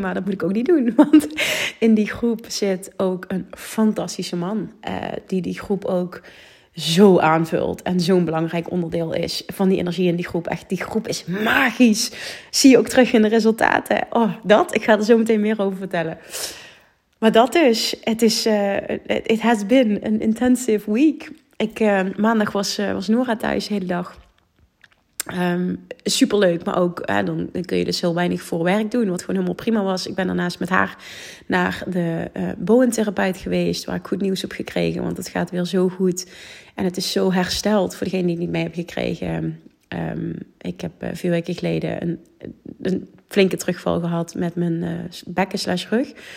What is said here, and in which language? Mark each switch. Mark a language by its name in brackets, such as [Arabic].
[Dutch] Maar dat moet ik ook niet doen, want in die groep zit ook een fantastische man. Die groep ook zo aanvult en zo'n belangrijk onderdeel is van die energie in die groep. Echt, die groep is magisch. Zie je ook terug in de resultaten. Oh, dat? Ik ga er zo meteen meer over vertellen. Maar dat dus. [English] It has been an intensive week. [Dutch] Maandag was Nora thuis de hele dag. Superleuk, maar ook dan kun je dus heel weinig voor werk doen, wat gewoon helemaal prima was. Ik ben daarnaast met haar naar de Bowen-therapeut geweest, waar ik goed nieuws heb gekregen, want het gaat weer zo goed. En het is zo hersteld voor degene die het niet mee heb gekregen. Ik heb 4 weken geleden een flinke terugval gehad met mijn bekken/rug.